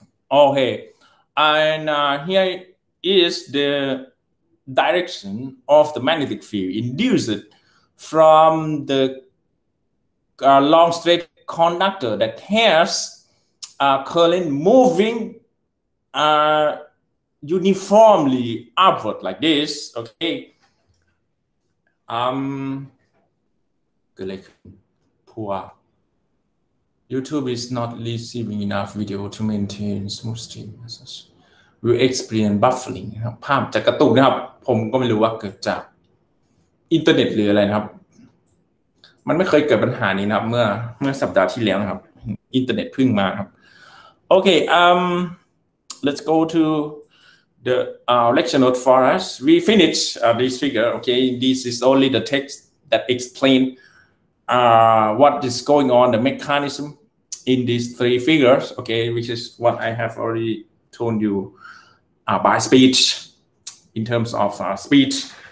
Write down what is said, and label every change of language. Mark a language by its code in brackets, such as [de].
[en] Okay, and here is the direction of the magnetic field induced from the long straight conductor that has a current moving uniformly upward like this, okay. Like poor YouTube is not receiving enough video to maintain smooth stream. We experience buffering. [th] ภาพจะกระตุกนะครับผมก็ไม่รู้ว่าเกิดจากอินเทอร์เน็ตหรืออะไรนะครับมันไม่เคยเกิดปัญหานี้นะครับเมื่อสัปดาห์ที่แล้วครับอินเทอร์เน็ตพึ่งมาครับโอเค [en] let's go toThe lecture note for us. We finish this figure. Okay, this is only the text that explain what is going on, the mechanism in these three figures. Okay, which is what I have already told you by speech in terms of speech.